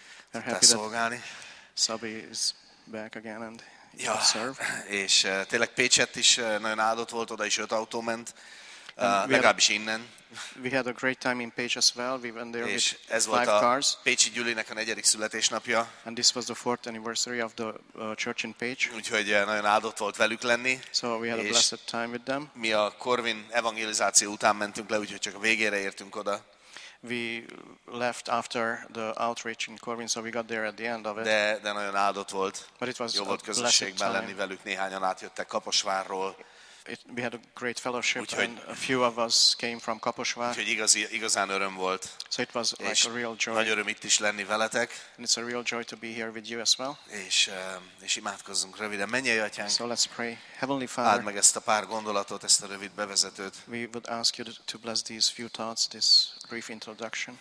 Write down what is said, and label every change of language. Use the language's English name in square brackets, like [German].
[Hungarian] Te szolgálni. [English] Szabi is back again and [Hungarian] ja, [English] serve. [Hungarian] És tényleg Pécsett is nagyon áldott volt, oda is 5 autó ment. Legalábbis innen. [English] We had a great time in Pécs as well. We went there with [Hungarian] ez [English] five [Hungarian] volt a [English] cars. [Hungarian] Pécsi Gyülinek a negyedik születésnapja. [English] And this was the fourth anniversary of the church in Pécs. [Hungarian] Úgyhogy nagyon áldott volt velük lenni. [English] So we had a blessed time with them. [Hungarian] Mi a Corvin evangelizáció után mentünk le, úgyhogy csak a végére értünk oda. [English] We left after the outreach in Corvin, so we got there at the end of it. [Hungarian] De nagyon áldott volt. [English] But it was [Hungarian] jó volt közösségben lenni velük, néhányan átjöttek Kaposvárról. [English] We had a great fellowship, and a few of us came from Kaposvár. [Hungarian] Úgyhogy igazán öröm volt. [English] So it was like a real joy. [Hungarian] Nagy öröm itt is lenni veletek. [English] And it's a real joy to be here with you as well. [Hungarian] És imádkozzunk röviden. Mennyei Atyánk, [English] so let's pray. Heavenly Father, [Hungarian] áld meg ezt a pár gondolatot, ezt a rövid bevezetőt. [English] We would ask you to bless these few thoughts, this brief introduction.